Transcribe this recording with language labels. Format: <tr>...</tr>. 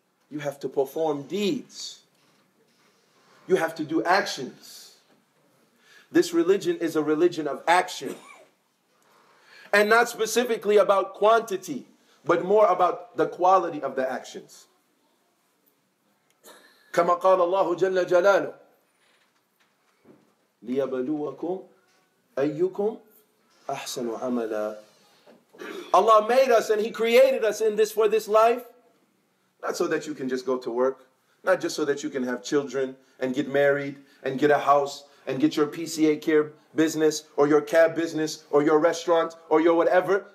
<en>You have to perform deeds. You have to do actions. This religion is a religion of action. And not specifically about quantity, but more about the quality of the actions.</en> <ar>كما قال الله جل جلاله ليبلوكم أيكم أحسن عملا.</ar> <en>Allah made us and He created us in this for this life, not so that you can just go to work, not just so that you can have children and get married and get a house and get your PCA care business or your cab business or your restaurant or your whatever.</en>